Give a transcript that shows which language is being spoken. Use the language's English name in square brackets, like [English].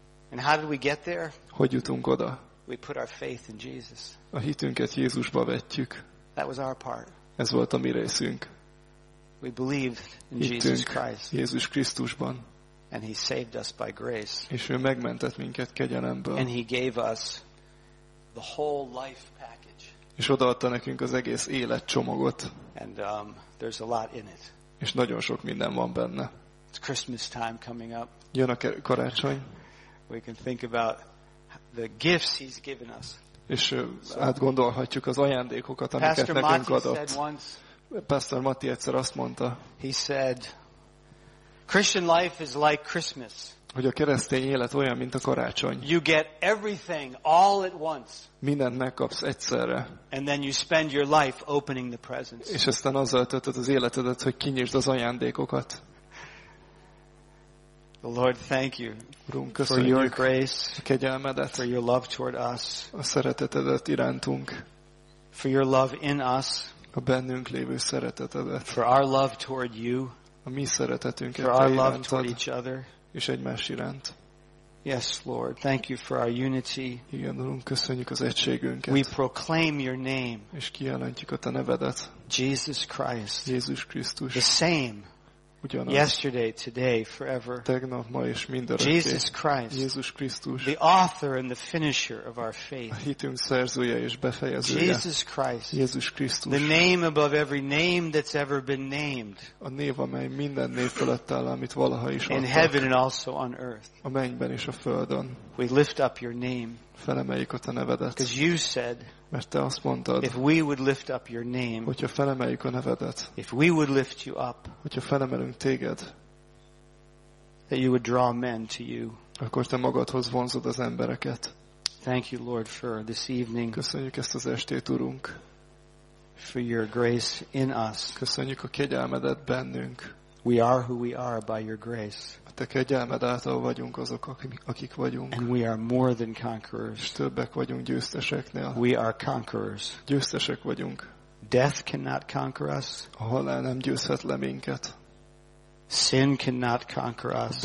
[English] And how did we get there? [Hungarian] Hogy jutunk oda? [English] We put our faith in Jesus. [Hungarian] A hitünket Jézusba vetjük. [English] That was our part. [Hungarian] Ez volt a mi részünk. [English] We believed in [Hungarian] Hittünk [English] Jesus Christ. [Hungarian] Jézus Krisztusban. [English] And he saved us by grace. [Hungarian] És ő megmentett minket kegyelemből. [English] And he gave us the whole life package. [Hungarian] És odaadta nekünk az egész élet csomagot. [English] And there's a lot in it. [Hungarian] És nagyon sok minden van benne. [English] It's Christmas time coming up. [Hungarian] Jön a karácsony. [English] We can think about the gifts he's given us. [Hungarian] És átgondolhatjuk az ajándékokat, amiket [English] Pastor [Hungarian] nekünk [English] Matti [Hungarian] adott. [English] Said once, [Hungarian] Pastor Matti egyszer azt mondta. [English] He said, Christian life is like Christmas. [Hungarian] Hogy a keresztény élet olyan, mint a karácsony. [English] You get everything all at once. [Hungarian] Mindent megkapsz egyszerre. [English] And then you spend your life opening the presents. [Hungarian] És aztán azzal töltöd az életedet, hogy kinyisd az ajándékokat. [English] Lord, thank you. [Hungarian] Urunk, [English] for your grace. [Hungarian] A kegyelmedet. [English] For your love toward us. [Hungarian] A szeretetedet irántunk. [English] For your love in us. [Hungarian] A bennünk lévő szeretetedet. [English] For our love toward you. [Hungarian] A mi szeretetünket te irántad. [English] For our love toward each other. [Hungarian] És egymás iránt. [English] Yes, Lord, thank you for our unity. [Hungarian] Igen, Urunk, köszönjük az egységünket. [English] We proclaim your name. [Hungarian] És kijelentjük a te nevedet. [English] Jesus Christ. [Hungarian] Jézus Krisztus. [English] The same. [Hungarian] Ugyanaz. [English] Yesterday, today, forever. [Hungarian] Tegnap, ma és mindörökké. [English] Jesus Christ. [Hungarian] Jézus Krisztus. [English] The author and the finisher of our faith. [Hungarian] A hitünk szerzője és befejezője. [English] Jesus Christ. [Hungarian] Jézus Krisztus. [English] The name above every name that's ever been named. [Hungarian] A név, amely minden név fölött áll, amit valaha is adtak. [English] In heaven and also on earth. [Hungarian] A mennyben és a földön. [English] We lift up your name. [Hungarian] Felemeljük a te nevedet. [English] Because you said. [Hungarian] Mert te azt mondtad, [English] if we would lift up your name, [Hungarian] hogyha felemeljük a nevedet, [English] if we would lift you up, [Hungarian] hogyha felemelünk téged, [English] that you would draw men to you, [Hungarian] akkor te magadhoz vonzod az embereket. [English] Thank you, Lord, for this evening. [Hungarian] Köszönjük ezt az estét, Urunk. [English] For your grace in us. [Hungarian] Köszönjük a kegyelmedet bennünk. [English] We are who we are by your grace. [Hungarian] A te kegyelmed által vagyunk azok, akik vagyunk. [English] And we are more than conquerors. [Hungarian] Többek vagyunk győzteseknél. [English] We are conquerors. [Hungarian] Győztesek vagyunk. [English] Death cannot conquer us. [Hungarian] A halál nem győzhet le minket. [English] Sin cannot conquer us.